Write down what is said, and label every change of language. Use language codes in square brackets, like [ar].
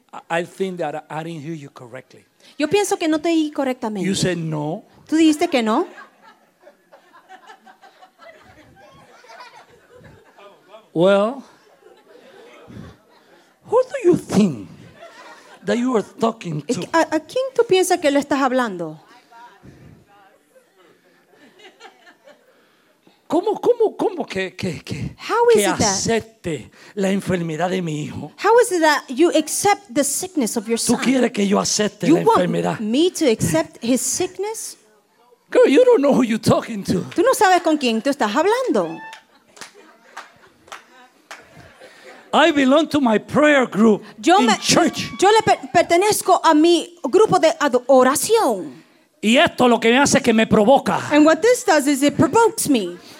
[en] I think that I didn't hear you correctly. [es] Yo pienso que no te oí correctamente. [en] You said no. [es] ¿Tú dijiste que no? [en] Well, who do you think that you are talking to? [es] ¿A quién tú piensas que lo estás hablando? ¿Cómo que [en] how is it [es] acepte [en] that? [es] La enfermedad de mi hijo? [en] How is it that you accept the sickness of your son? [es] ¿Tú quieres que yo acepte [en] you [es] la enfermedad? [en] Want me to accept his sickness? Girl, you don't know who you're talking to. [es] Tú no sabes con quién tú estás hablando. [en] I belong to my prayer group church. [es] Yo le pertenezco a mi grupo de oración. Y esto lo que me hace es que me provoca. [en] And what this does is it provokes me.